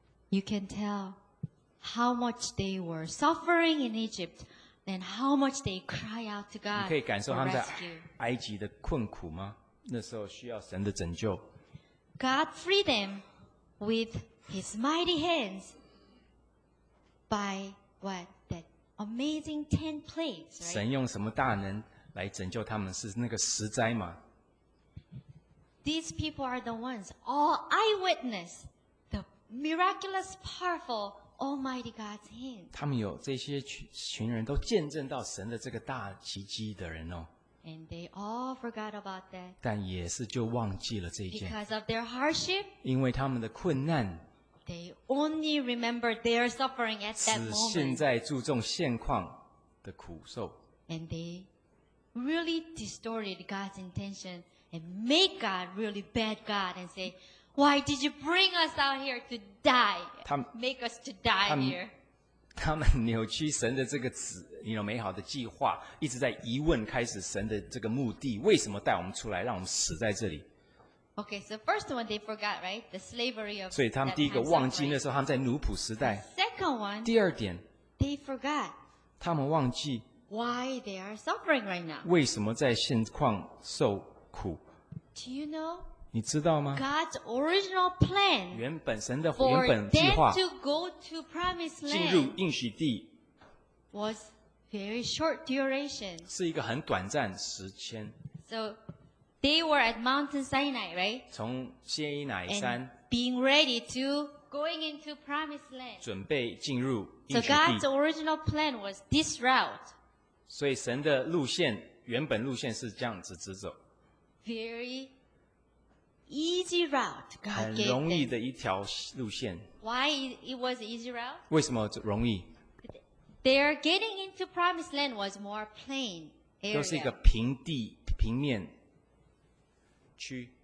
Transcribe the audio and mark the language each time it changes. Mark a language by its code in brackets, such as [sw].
[en] You can tell how much they were suffering in Egypt and how much they cry out to God. [zh] 你可以感受他们在埃及的困苦吗？那时候需要神的拯救。 [en] God freed them with His mighty hands by what? That amazing 10 plagues, right? [zh] 神用什么大能来拯救他们？是那个十灾吗？ [en] These people are the ones, all eyewitness. Miraculous, powerful, Almighty God's hand. [zh] 他们有这些群人都见证到神的这个大奇迹的人哦。 [en] And they all forgot about that. [zh] 但也是就忘记了这一件。 [en] Because of their hardship. [zh] 因为他们的困难。 [en] They only remember their suffering at that moment. [zh] 只现在注重现况的苦受。 [en] And they really distorted God's intention and make God really bad God and say. Why did you bring us out here to die? Make us to die here. [zh] 他们扭曲神的这个旨意，美好的计划，一直在疑问开始神的这个目的，为什么带我们出来，让我们死在这里？ [en] Okay, so first one they forgot, right? The slavery of. [zh] 所以他们第一个忘记那时候他们在奴仆时代。 [en] Second one. [zh] 第二点。 [en] They forgot. [zh] 他们忘记。 [en] Why they are suffering right now? [zh] 为什么在现况受苦 [en] ？Do you know? [zh] 你知道吗 [en] ？God's original plan， [zh] 原本神的原本计划 [en] ，to go to promised land， [zh] 进入应许地 [en] ，was very short duration， [zh] 是一个很短暂时间。 [en] So they were at Mount Sinai, right？ [zh] 从西奈山 [en] ，being ready to going into promised land， [zh] 准备进入应许地。 [en] So God's original plan was this route， [zh] 所以神的路线原本路线是这样子直走 [en] ，very。 Easy route, God gave them. [zh] 很容易的一条路线。 [en] Why it was easy route? [zh] 为什么容易 [en] ？Their getting into promised land was more plain area. [zh] 都是一个平地平面区。